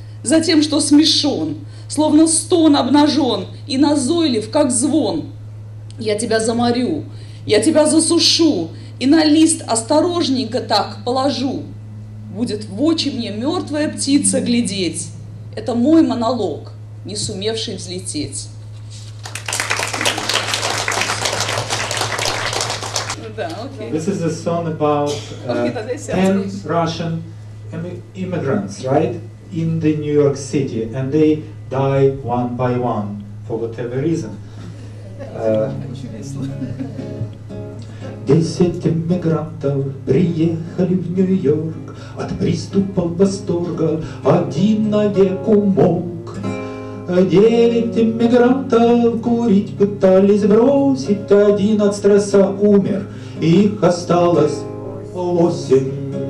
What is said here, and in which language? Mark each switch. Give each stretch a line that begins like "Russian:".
Russian: За тем, что смешон, словно стон обнажен и назойлив, как звон. Я тебя заморю, я тебя засушу и на лист осторожненько так положу. Будет в очи мне мертвая птица глядеть. Это мой монолог, не сумевший взлететь.
English: This is a song about 10 Russian immigrants, right, in the New York City, and they die one by one for whatever reason.
Russian: Десять иммигрантов приехали в Нью-Йорк, от приступов восторга один навек умолк. Девять иммигрантов курить пытались бросить, один от стресса умер, их осталось 8.